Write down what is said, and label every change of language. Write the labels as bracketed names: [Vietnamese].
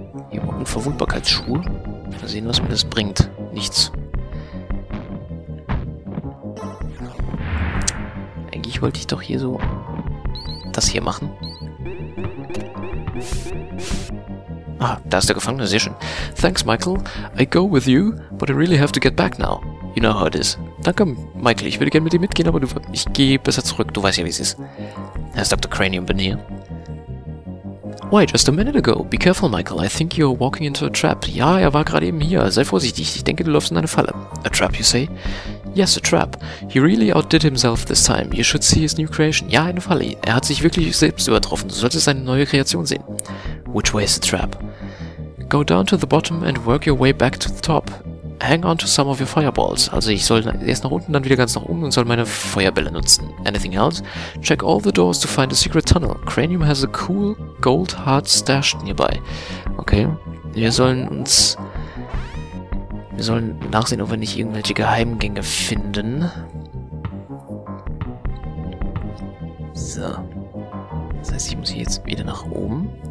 [German] Hier unten Unverwundbarkeitsschuhe. Mal sehen, was mir das bringt. Nichts. Eigentlich wollte ich doch hier so das hier machen. Ah, da ist der Gefangene, sehr schön. [English] Thanks, Michael. I go with you, but I really have to get back now. You know how it is. [German] Danke, [English] Michael. [German] Ich würde gerne mit dir mitgehen, aber ich gehe besser zurück. Du weißt ja, wie es ist. [English] Has Dr. Cranium been here? Why, just a minute ago. Be careful, Michael. I think you're walking into a trap. [German] Ja, er war gerade eben hier. Sei vorsichtig. Ich denke, du läufst in eine Falle. [English] A trap, you say? Yes, a trap. He really outdid himself this time. You should see his new creation. [German] Ja, eine Falle. Er hat sich wirklich selbst übertroffen. Du solltest seine neue Kreation sehen. [English] Which way is the trap? Go down to the bottom and work your way back to the top. Hang on to some of your fireballs. [German] Also ich soll erst nach unten, dann wieder ganz nach oben und soll meine Feuerbälle nutzen. [English] Anything else? Check all the doors to find a secret tunnel. Cranium has a cool gold heart stashed nearby. [German] Okay, wir sollen nachsehen, ob wir nicht irgendwelche Geheimgänge finden. So. Das heißt, ich muss hier jetzt wieder nach oben.